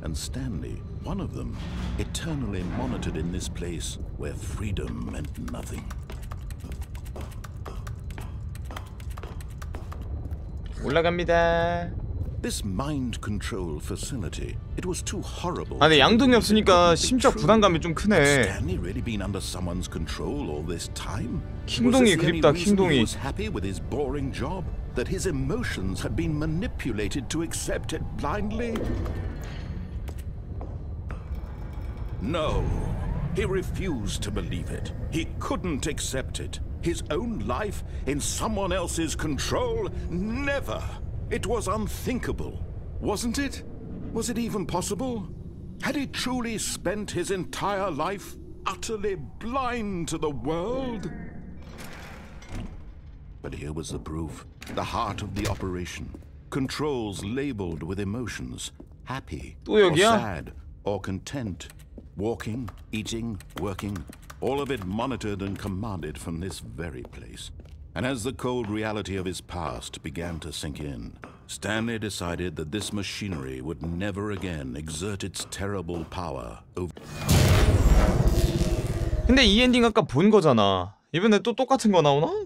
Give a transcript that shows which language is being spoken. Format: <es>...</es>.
<en>And Stanley, one of them, eternally monitored in this place where freedom meant nothing.</en> <ko>올라갑니다.</ko> <en>This mind control facility, it was too horrible.</en> <ko>아, 근데 양동이 없으니까 심적 부담감이 좀 크네.</ko> <en>Stanley really been under someone's control all this time?</en> <ko>킹동이 그립다, 킹동이.</ko> <en>Was happy with his boring job? That his emotions had been manipulated to accept it blindly? No, he refused to believe it. He couldn't accept it. His own life in someone else's control? Never! It was unthinkable, wasn't it? Was it even possible? Had he truly spent his entire life utterly blind to the world? But here was the proof, the heart of the operation. Controls labeled with emotions, happy or sad or content. Walking, eating, working, all of it monitored and commanded from this very place. And as the cold reality of his past began to sink in, Stanley decided that this machinery would never again exert its terrible power over...</en> <ko>근데 이 엔딩 아까 본 거잖아. 이번에 또 똑같은 거 나오나?</ko>